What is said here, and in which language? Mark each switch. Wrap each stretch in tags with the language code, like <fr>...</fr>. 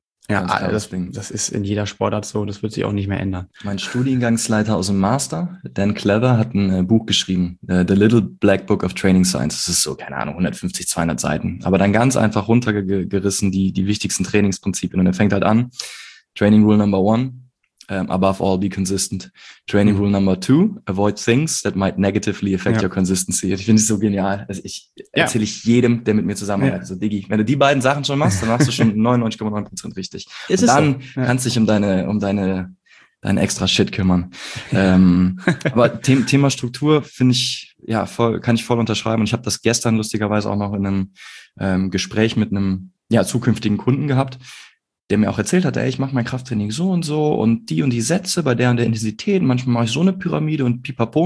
<de>Ja, das ist in jeder Sportart so, das wird sich auch nicht mehr ändern. Mein Studiengangsleiter aus dem Master, Dan Clever, hat ein Buch geschrieben, The Little Black Book of Training Science. Das ist so, keine Ahnung, 150, 200 Seiten. Aber dann ganz einfach runtergerissen die wichtigsten Trainingsprinzipien. Und er fängt halt an,</de> <en>Training Rule Number 1, above all, be consistent. Training Rule Number 2, avoid things that might negatively affect your consistency.</en> <de>Ich finde es so genial. Also ich erzähle ich jedem, der mit mir zusammenarbeitet. Ja. So, Diggi, wenn du die beiden Sachen schon machst, dann machst du schon 99,9% richtig. Und dann kannst du dich um deine extra Shit kümmern. aber Thema Struktur finde ich, ja, voll, kann ich voll unterschreiben. Und ich habe das gestern lustigerweise auch noch in einem Gespräch mit einem zukünftigen Kunden gehabt, der mir auch erzählt hat, ey, ich mache mein Krafttraining so und so und die Sätze bei der und der Intensität, manchmal mache ich so eine Pyramide und pipapo.</de>